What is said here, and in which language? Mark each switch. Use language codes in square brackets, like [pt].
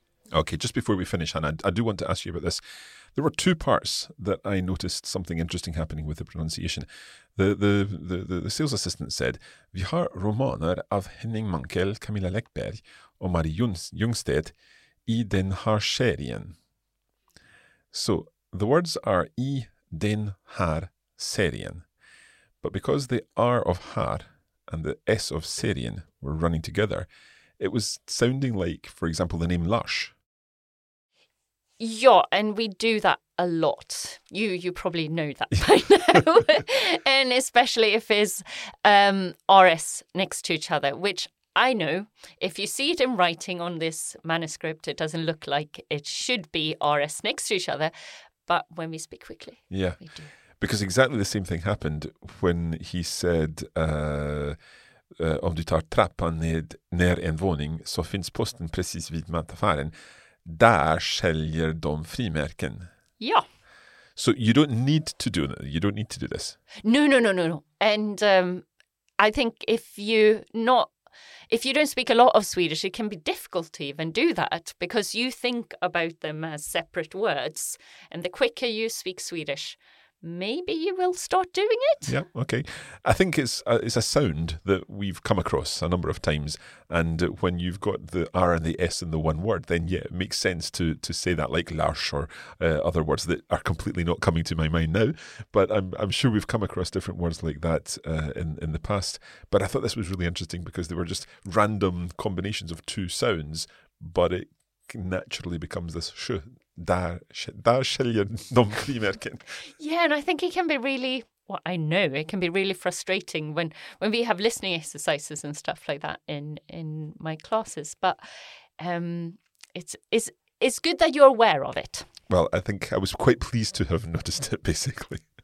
[en] Okay, just before we finish, Hannah, I do want to ask you about this. There were two parts that I noticed something interesting happening with the pronunciation. The sales assistant said, [sv] "Vi har romaner av Henning Mankell, Camilla Läckberg och Marie Ljungstedt i den här serien." [en] So the words are [sv] "i den här serien." [en] But because the R of har and the S of serien were running together, it was sounding like, for example, the name Lush. Yeah, and we do that a lot. You probably know that by now. And especially if it's RS next to each other, which I know. If you see it in writing on this manuscript, it doesn't look like it should be RS next to each other. But when we speak quickly, yeah, we do. Because exactly the same thing happened when he said, [sv] "Om du tar trappan ned ner en våning så finns posten precis vid mataffären. Där säljer de frimärken." [en] Yeah. So you don't need to do that. You don't need to do this. No. And I think if you don't speak a lot of Swedish, it can be difficult to even do that because you think about them as separate words. And the quicker you speak Swedish, maybe you will start doing it. Yeah, okay. I think it's a sound that we've come across a number of times. And when you've got the R and the S in the one word, then yeah, it makes sense to say that, like Lars or other words that are completely not coming to my mind now. But I'm sure we've come across different words like that in the past. But I thought this was really interesting because they were just random combinations of two sounds, but it naturally becomes this sh. [sv] Där säljer de frimärken. [en] Yeah, and I think it can be really, well, I know, it can be really frustrating when we have listening exercises and stuff like that in my classes. But it's good that you're aware of it. Well, I think I was quite pleased to have noticed it, basically.